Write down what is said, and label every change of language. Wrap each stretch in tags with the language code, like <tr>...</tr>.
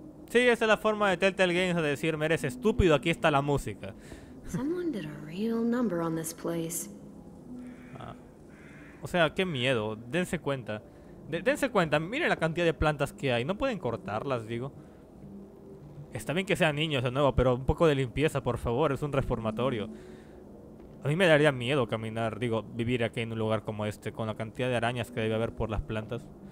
<es>Sí, esa es la forma de Telltale Games de decirme, eres estúpido, aquí está la música.</es> <en>Someone did a real number on this place.</en> <es>Ah. O sea, qué miedo. Dense cuenta. Dense cuenta. Miren la cantidad de plantas que hay. No pueden cortarlas, digo. Está bien que sean niños de nuevo, pero un poco de limpieza, por favor. Es un reformatorio. A mí me daría miedo caminar, digo, vivir aquí en un lugar como este, con la cantidad de arañas que debe haber por las plantas.</es>